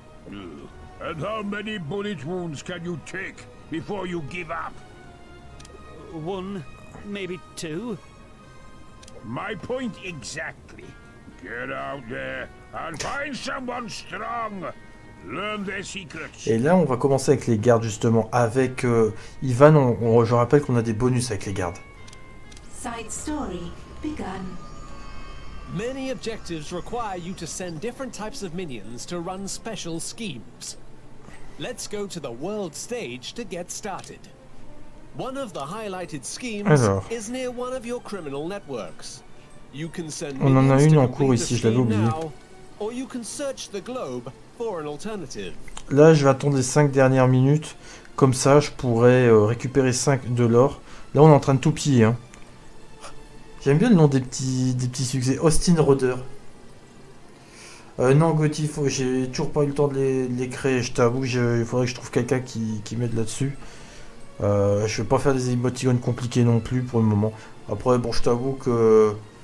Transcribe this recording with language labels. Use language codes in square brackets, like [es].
[en] And how many bullet wounds can you take before you give up? One. Maybe two. My point exactly. Get out there and find someone strong. Learn their secrets. [fr] Et là, on va commencer avec les gardes, justement. Avec Ivan, je rappelle qu'on a des bonus avec les gardes. [en] Side story begun. Many objectives require you to send different types of minions to run special schemes. Let's go to the world stage to get started. One of the highlighted schemes [fr] Alors, [en] is near one of your criminal networks. You can send [fr] on en a une en cours ici, je l'avais oublié. [en] Or you can search the globe for an alternative. [fr] Là, je vais attendre les 5 dernières minutes. Comme ça, je pourrais récupérer 5 de l'or. Là, on est en train de tout piller. Hein. J'aime bien le nom des petits succès. Austin Roder. Non, Gauthier, j'ai toujours pas eu le temps de les créer. Je t'avoue, il faudrait que je trouve quelqu'un qui m'aide là-dessus. Je vais pas faire des émoticônes compliqués non plus pour le moment. Après, bon, je t'avoue que